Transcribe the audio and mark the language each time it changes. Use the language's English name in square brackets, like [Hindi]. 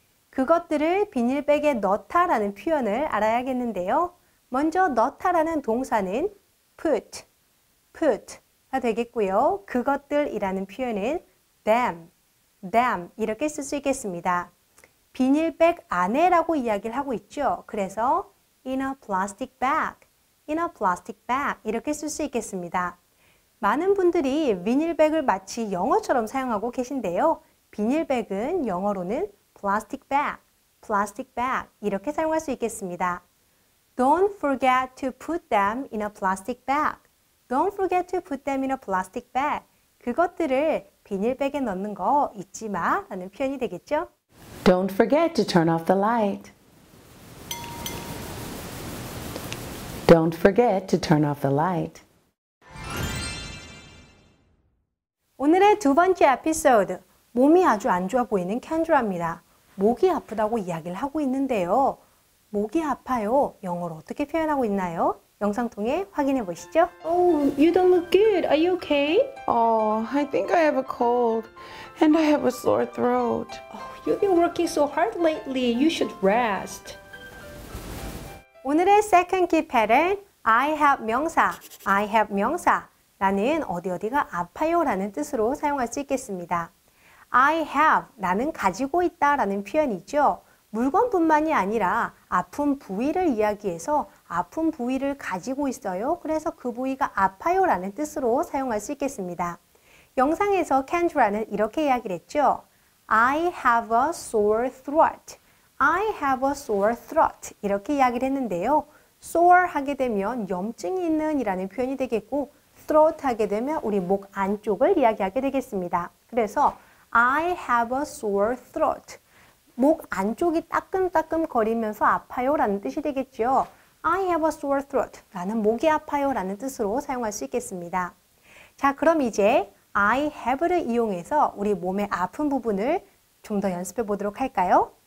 [Korean] 그것들을 비닐백에 넣다 라는 표현을 알아야겠는데요. 먼저 넣다 라는 동사는 [English] put, put [Korean] 가 되겠고요. 그것들이라는 표현은 [English] them, them [Korean] 이렇게 쓸 수 있겠습니다. 비닐백 안에 라고 이야기를 하고 있죠. [English] 그래서 in a plastic bag, in a plastic bag [Korean] 이렇게 쓸 수 있겠습니다. 많은 분들이 비닐백을 마치 영어처럼 사용하고 계신데요. 비닐백은 영어로는 [English] plastic bag [Korean] 이렇게 사용할 수 있겠습니다. [English] Don't forget to put them in a plastic bag. Don't forget to put them in a plastic bag. [Korean] 그것들을 비닐백에 넣는 거 잊지 마 라는 표현이 되겠죠. [English] Don't forget to turn off the light. Don't forget to turn off the light. [Korean] 오늘의 두 번째 에피소드, 몸이 아주 안 좋아 보이는 켄드라입니다. 목이 아프다고 이야기를 하고 있는데요. 목이 아파요. 영어로 어떻게 표현하고 있나요? 영상 통해 확인해 보시죠. [English] Oh, you don't look good. Are you okay? Oh, I think I have a cold and I have a sore throat. Oh, you've been working so hard lately. You should rest. [Korean] 오늘의 [English] second key pattern, I have 명사, I have 명사. [Korean] 나는 어디어디가 아파요 라는 뜻으로 사용할 수 있겠습니다. [English] I have, [Korean] 나는 가지고 있다 라는 표현이죠. 물건뿐만이 아니라 아픈 부위를 이야기해서 아픈 부위를 가지고 있어요. 그래서 그 부위가 아파요 라는 뜻으로 사용할 수 있겠습니다. 영상에서 켄드라는 이렇게 이야기를 했죠. [English] I have a sore throat. I have a sore throat. [Korean] 이렇게 이야기를 했는데요. sore 하게 되면 염증이 있는 이라는 표현이 되겠고 throat 하게 되면 우리 목 안쪽을 이야기하게 되겠습니다. [English] 그래서 I have a sore throat. [Korean] 목 안쪽이 따끔따끔 거리면서 아파요 라는 뜻이 되겠죠. [English] I have a sore throat. [Korean] 나는 목이 아파요 라는 뜻으로 사용할 수 있겠습니다. 자, 그럼 이제 [English] I have [Korean] 를 이용해서 우리 몸의 아픈 부분을 좀 더 연습해 보도록 할까요?